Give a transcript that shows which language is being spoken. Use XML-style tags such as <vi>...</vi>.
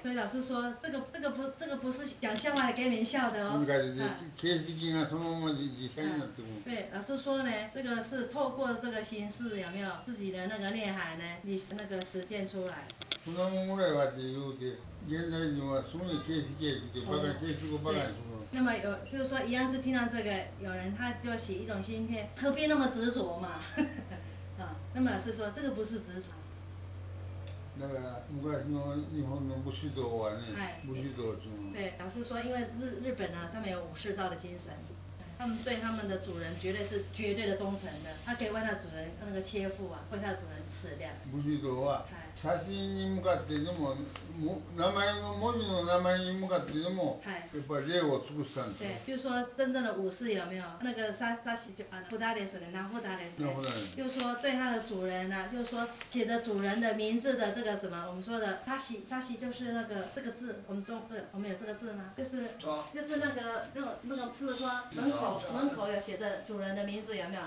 <zh>所以老师说这个不是讲笑话给您笑的哦。</zh> <ja>なんか形式がそのまま実際になっても。</ja> <zh>对，老师说呢，这个是透过这个形式有没有自己的那个内涵呢？你那个实践出来。</zh> <ja>子供ぐらいはって言うて、現代人はすぐに形式やって、バカ、形式をバカにする</ja> <zh>の。那么有，就是说一样是听到这个，有人他就起一种心念，何必那么执着嘛？啊、哦，那么老师说这个不是执着。</zh> <ja>だから昔の日本の武士道はね、武士道っていうの。</ja> <zh>对，老师说，因为日本呢，他们有武士道的精神，他们对他们的主人绝对是绝对的忠诚的，他可以为他主人那个切腹啊，为他主人吃掉。</zh> <ja>武士道は。写真に向かってでも、名前の文字の名前に向かってでも、はい、やっぱり礼を尽くしたんですよ。</ja> <zh>就是说真正的武士有没有那个札</zh> <ja>ですね、名札ですね。名札</ja> <zh>就是说对他的主人呢、啊，就是说写着主人的名字的这个什么，我们说的札就是那个这个字，我们中对，我们有这个字吗？就是那个是不是说门口有写着主人的名字有没有？</zh>